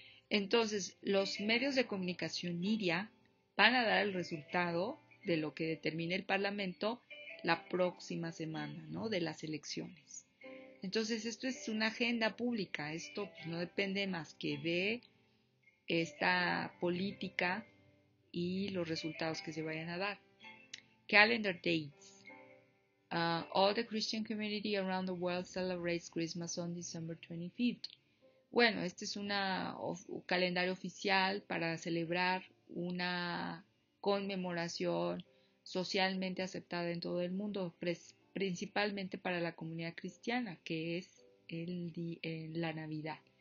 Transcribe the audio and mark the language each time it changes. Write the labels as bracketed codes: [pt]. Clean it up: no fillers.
[es] Entonces, los medios de comunicación media van a dar el resultado de lo que determine el Parlamento la próxima semana, ¿no? De las elecciones. Entonces, esto es una agenda pública, esto pues, no depende más que de esta política y los resultados que se vayan a dar. [en] Calendar dates. All the Christian community around the world celebrates Christmas on December 25th. [es] Bueno, este es un calendario oficial para celebrar una conmemoración socialmente aceptada en todo el mundo, principalmente para la comunidad cristiana, que es la Navidad.